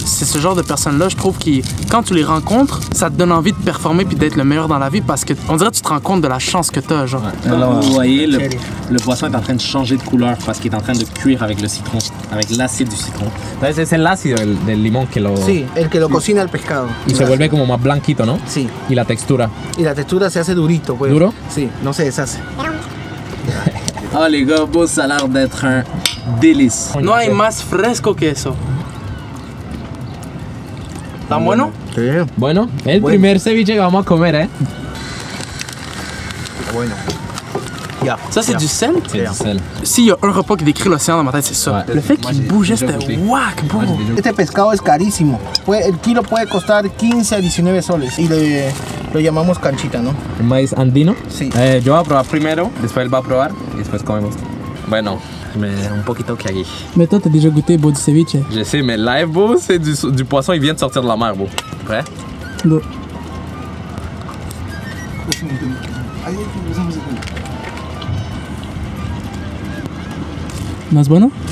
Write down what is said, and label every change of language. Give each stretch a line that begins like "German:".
French: C'est ce genre de personnes-là, je trouve, qui, quand tu les rencontres, ça te donne envie de performer puis d'être le meilleur dans la vie parce que, on dirait, que tu te rends compte de la chance que t'as, genre. Ouais. Alors, vous voyez, le poisson est en train de changer de couleur parce qu'il est en train de cuire avec le citron, avec l'acide du citron. C'est l'acide
Spanish: del limón que lo. Sí, el que lo cocina el pescado. Y se vuelve como más blanquito, ¿no? Sí. Y la textura. Y la textura se hace durito, pues. Duro? Sí, no se deshace.
French: Oh les gars, beau, ça a l'air d'être un délice.
Spanish: No hay más fresco que eso. ¿Tan bueno? Sí. Bueno, el primer ceviche que vamos a comer, eh. Bueno.
French: Ça, c'est du sel? C'est du sel. S'il y a un repas qui décrit l'océan dans ma tête, c'est ça. Ouais. Le fait qu'il bougeait, c'était wack, bro.
Spanish: Este pescado es carísimo. El kilo puede costar 15 a 19 soles. Y lo llamamos canchita, ¿no? El maíz andino. Sí. Yo voy a probar primero, después él va a probar y después comemos. Bueno. Mais un poquito cagué.
French: Mais toi, t'as déjà goûté beau du ceviche? Je sais, mais live, beau, c'est du poisson, il vient de sortir de la mer, beau. Prêt? L'eau.
Spanish: Mas bueno?